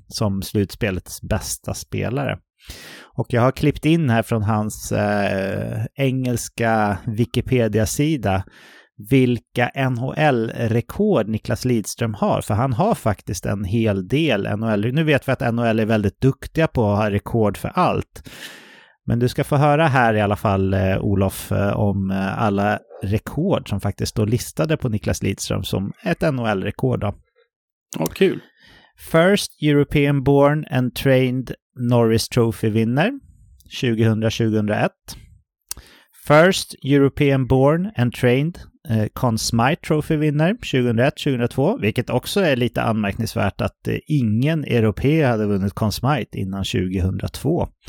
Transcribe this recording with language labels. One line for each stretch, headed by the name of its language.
Swedish: Som slutspelets bästa spelare. Och jag har klippt in här från hans engelska Wikipedia-sida vilka NHL-rekord Niklas Lidström har, för han har faktiskt en hel del NHL. Nu vet vi att NHL är väldigt duktiga på att ha rekord för allt, men du ska få höra här i alla fall, Olof, om alla rekord som faktiskt står listade på Niklas Lidström som ett NHL-rekord då. Vad kul.
English: First European born and trained Norris Trophy winner 2000-2001.
Swedish: First European born and trained Conn Smythe Trophy vinner 2001-2002, vilket också är lite anmärkningsvärt att ingen europé hade vunnit Conn Smythe innan 2002.